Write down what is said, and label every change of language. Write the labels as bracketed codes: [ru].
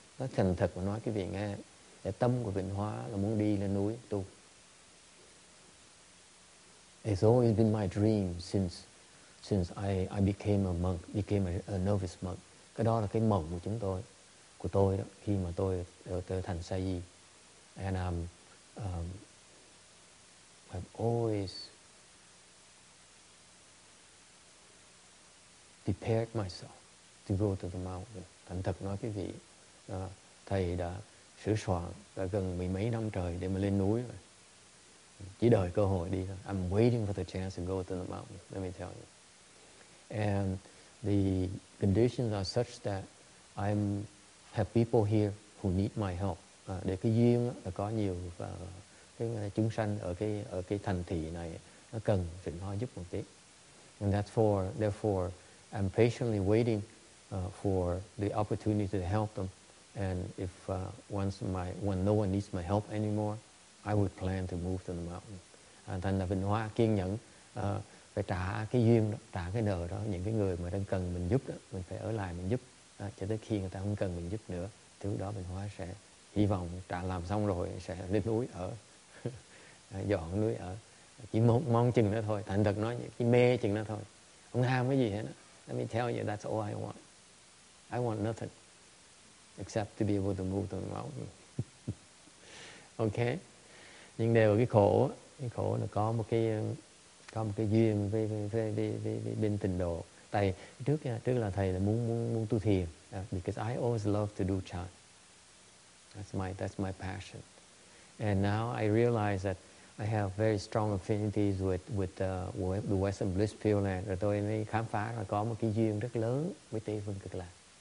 [vi] Nói thành thật mà nói quý vị nghe, để tâm của Vịnh Hóa là muốn đi lên núi tu. [en] It's always been my dream since I became a monk, became a novice monk. [vi] Cái đó là cái mộng của chúng tôi, của tôi đó, khi mà tôi trở thành sa di. [en] And I've always prepared myself to go to the mountain. [vi] Thành thật nói quý vị, thầy đã sửa soạn đã gần mười mấy năm trời để mà lên núi rồi. Chỉ đợi cơ hội đi thôi. [en] I'm waiting for the chance to go to the mountain, let me tell you. And the conditions are such that have people here who need my help. [vi] Để cái duyên là có nhiều cái chúng sanh ở cái thành thị này nó cần Vịnh Hóa giúp một tí. [en] And therefore, I'm patiently waiting for the opportunity to help them. And if when no one needs my help anymore, I would plan to move to the mountain. And then Vịnh Hóa [vi] kiên nhẫn phải trả cái duyên đó, trả cái nợ đó, những cái người mà đang cần mình giúp đó, mình phải ở lại mình giúp đó, cho tới khi người ta không cần mình giúp nữa, thứ đó mình hóa sẽ hy vọng trả làm xong rồi sẽ lên núi ở dọn núi ở, chỉ mong chừng đó thôi, thành thật nói chỉ mê chừng đó thôi, không ham cái gì hết đó. [en] Let me tell you, that's all I want nothing except to be able to move the mountain. [vi] Okay, nhưng đều cái khổ, cái khổ là có một cái, có một cái duyên với bên tịnh độ. Tại trước trước là thầy là muốn tu thiền, [en] because I always love to do chan. That's my passion. And now I realize that I have very strong affinities with the Western Bliss Pure Land. [vi] Rồi tôi mới khám phá là có một cái duyên rất lớn với Tây Phương Cực Lạc.